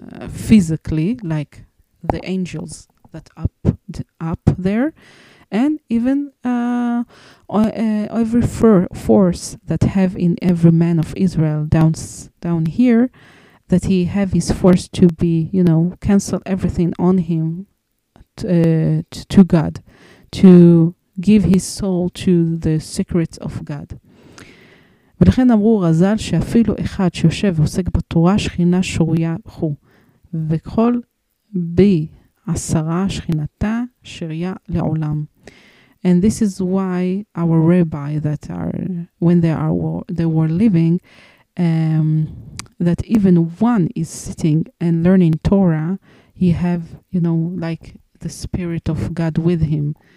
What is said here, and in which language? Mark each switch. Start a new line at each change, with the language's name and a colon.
English: physically, like the angels that up there, and even every force that have in every man of Israel down here, that he have his force to be, you know, cancel everything on him to God, to give his soul to the secrets of God.
Hebrew: ולכן אמרו רזל שאפילו אחד שיושב ועוסק בתורה שכינה שוריה חו, וכל בי עשרה שכינתה שריה לעולם.
English: And this is why our rabbi that are, when they were living, that even one is sitting and learning Torah, he have, you know, like the spirit of God with him.